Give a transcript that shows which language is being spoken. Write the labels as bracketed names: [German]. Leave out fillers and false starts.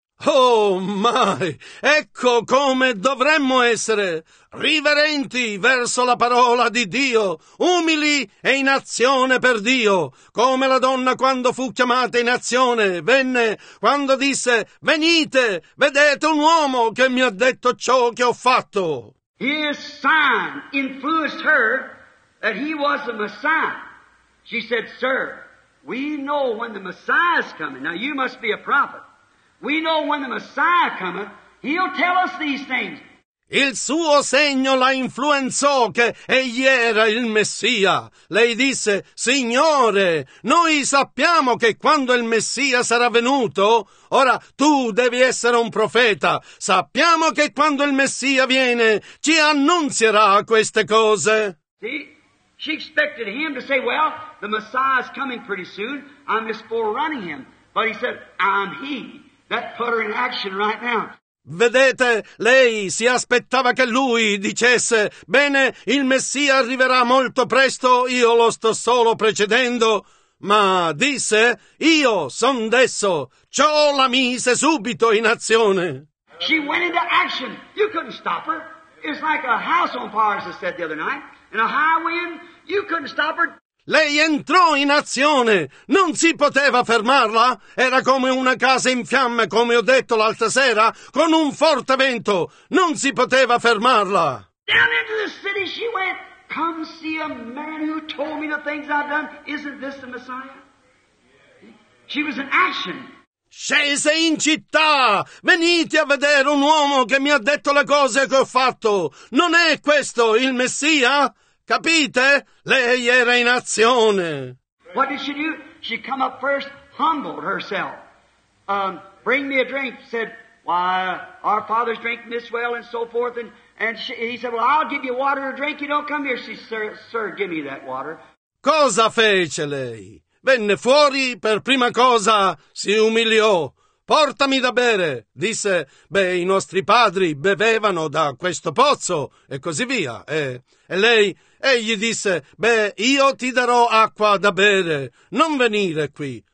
[English] Oh my! [Italian] Ecco come dovremmo essere riverenti verso la parola di Dio, umili e in azione per Dio, come la donna quando fu chiamata in azione, venne quando disse, venite, vedete un uomo che mi ha detto ciò che ho fatto. [English] His sign influenced her that he was the Messiah. She said, sir, we know when the Messiah is coming. Now, you must be a prophet. We know when the Messiah cometh, he'll tell us these things. [Italian] Il suo segno la influenzò che egli era il Messia. Lei disse, Signore, noi sappiamo che quando il Messia sarà venuto, ora tu devi essere un profeta, sappiamo che quando il Messia viene ci annunzierà queste cose. [English] See, she expected him to say, well, the Messiah is coming pretty soon, I'm just forerunning him. But he said, I'm he. That put her in action right now. [Italian] Vedete, lei si aspettava che lui dicesse, bene, il Messia arriverà molto presto, io lo sto solo precedendo, ma disse, io son desso, ciò la mise subito in azione. [English] She went into action, you couldn't stop her, it's like a house on fire, as I said the other night, in a high wind, you couldn't stop her. [Italian] Lei entrò in azione, non si poteva fermarla, era come una casa in fiamme, come ho detto l'altra sera, con un forte vento, non si poteva fermarla. [English] Down into the city she went, come see a man who told me the things I've done, isn't this the Messiah? She was in action. [Italian] Scese in città, venite a vedere un uomo che mi ha detto le cose che ho fatto, non è questo il Messia? Capite? Lei era in azione. [English] What did she do? She come up first, humbled herself. Bring me a drink, said, why, our father's drinking this well and so forth. And he said, well, I'll give you water to drink. You don't come here. She said, sir, give me that water. [Italian] Cosa fece lei? Venne fuori, per prima cosa si umiliò. Portami da bere, disse, beh, i nostri padri bevevano da questo pozzo, e così via. E lei disse, beh, io ti darò acqua da bere, non venire qui.